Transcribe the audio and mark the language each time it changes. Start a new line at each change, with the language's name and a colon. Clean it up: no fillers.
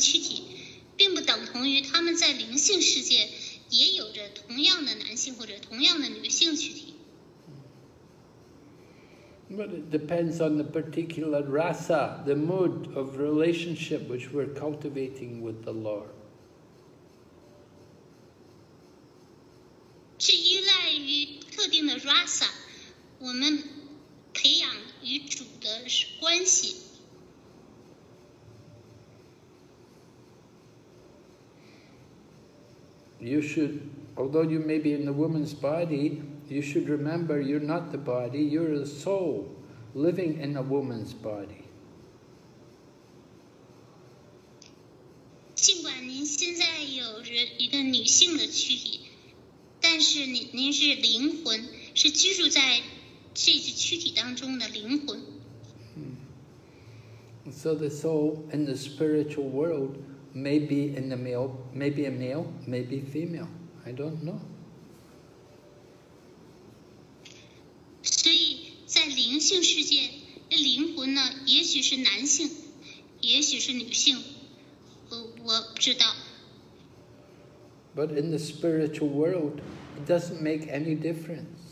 Chinese: So 并不等同于他们在灵性世界也有着同样的男性或者同样的女性躯体。
English: But it depends on the particular rasa, the mood of relationship which we're cultivating with the Lord.
Chinese: 是依赖于特定的 rasa, 我们培养与主的关系。
English: You should, although you may be in the woman's body, you should remember you're not the body, you're a soul living in a woman's body.
Chinese: 尽管您现在有一个女性的躯体，但是您是灵魂，是居住在这具躯体当中的灵魂。
English: So the soul in the spiritual world maybe in the male, maybe a male, maybe female. I don't know.
Chinese: 所以在灵性世界，这灵魂呢，也许是男性，也许是女性，我不知道。
English: But in the spiritual world, it doesn't make any difference.